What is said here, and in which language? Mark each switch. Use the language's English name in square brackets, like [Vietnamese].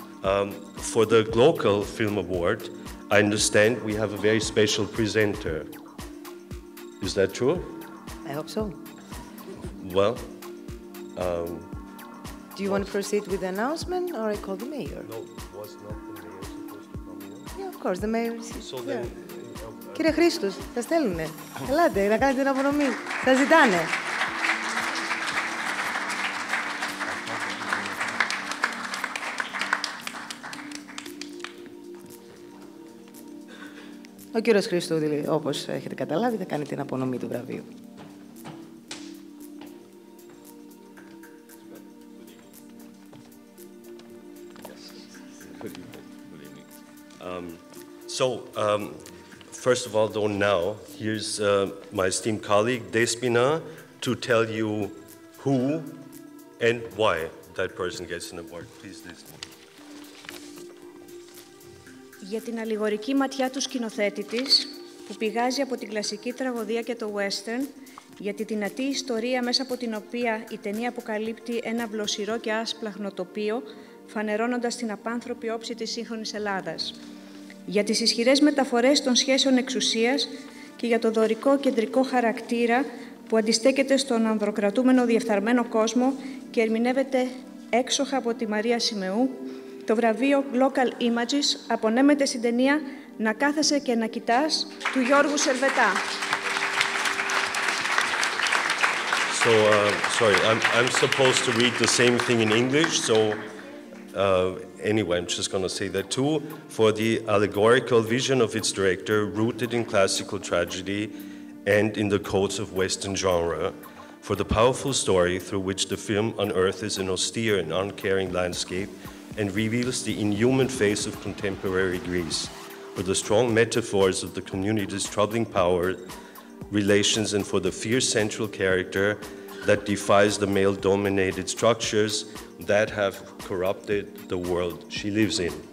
[English] For the Glocal Film Award, I understand we have a very special presenter. Is that true? I hope so. Well... Do you want to proceed with the announcement, or I call the mayor? No, was not the mayor supposed to come in? Yeah, of course, the mayor is so here. Then, [Greek] Κύριε Χρήστος, θα στέλνουνε. Ελάτε, να κάνετε την απονομή. Θα ζητάνε. Ο κύριος Χριστούδη, όπως έχετε καταλάβει, θα κάνει την απονομή του βραβείου. [English] So, first of all, don't know. Here's my esteemed colleague, Despina, to tell you who and why that person gets an award. Please, Despina. [Greek] Για την αλληγορική ματιά του σκηνοθέτη της, που πηγάζει από την κλασική τραγωδία και το western, για τη δυνατή ιστορία μέσα από την οποία η ταινία αποκαλύπτει ένα βλοσιρό και άσπλαχνο τοπίο, φανερώνοντας την απάνθρωπη όψη της σύγχρονης Ελλάδας. Για τις ισχυρές μεταφορές των σχέσεων εξουσίας και για το δωρικό κεντρικό χαρακτήρα που αντιστέκεται στον ανδροκρατούμενο διεφθαρμένο κόσμο και ερμηνεύεται έξοχα από τη Μαρία Σημεού, το βραβείο Local Images απονέμεται στην ταινία «Να κάθεσαι και να κοιτάς» του Γιώργου Σερβετά. [English] So, sorry, I'm supposed to read the same thing in English, so anyway, I'm just going to say that too. For the allegorical vision of its director, rooted in classical tragedy and in the codes of Western genre, for the powerful story through which the film unearths an austere and uncaring landscape and reveals the inhuman face of contemporary Greece, for the strong metaphors of the community's troubling power relations and for the fierce central character that defies the male-dominated structures that have corrupted the world she lives in.